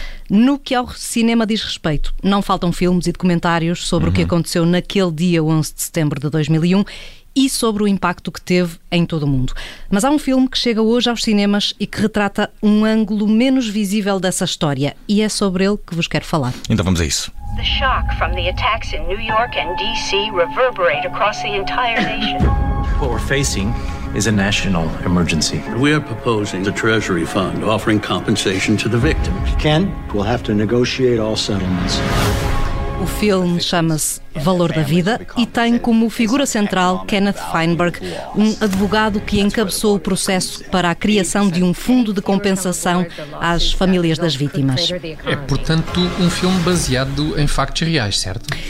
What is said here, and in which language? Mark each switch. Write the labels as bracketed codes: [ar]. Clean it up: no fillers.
[pt] No que ao cinema diz respeito, não faltam filmes e documentários sobre o que aconteceu naquele dia 11 de setembro de 2001 e sobre o impacto que teve em todo o mundo. Mas há um filme que chega hoje aos cinemas e que retrata um ângulo menos visível dessa história, e é sobre ele que vos quero falar. Então vamos a isso. [en] The shock from the attacks in New York and DC reverberate across the entire nation. What we're facing is a national emergency. We are proposing the Treasury Fund offering compensation to the victims. Ken, we'll have to negotiate all settlements. [pt] O filme chama-se Valor da Vida e tem como figura central Kenneth Feinberg, um advogado que encabeçou o processo para a criação de um fundo de compensação às famílias das vítimas. É, portanto, um filme baseado em factos reais, certo?